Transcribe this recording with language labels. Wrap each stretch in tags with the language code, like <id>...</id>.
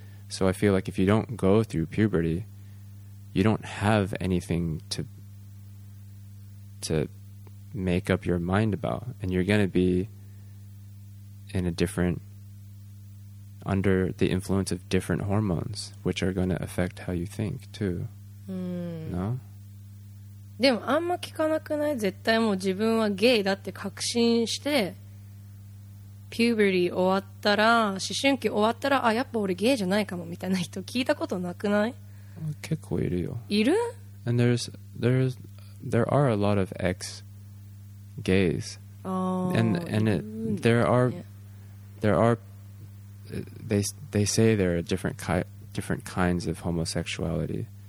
<en>So I feel like if you don't go through puberty, you don't have anything to make up your mind about, and you're going to be in a different, under the influence of different hormones, which are going to affect how you think too. No?</en> <ja>でもあんま聞かなくない？絶対もう自分はゲイだって確信して、puberty 終わったら、思春期終わったら、あ、やっぱ俺ゲイじゃないかもみたいな人聞いたことなくない？結構いるよ。いる？</ja> <en>And there are a lot of ex-gays. They say there are different kinds of homosexuality.</en>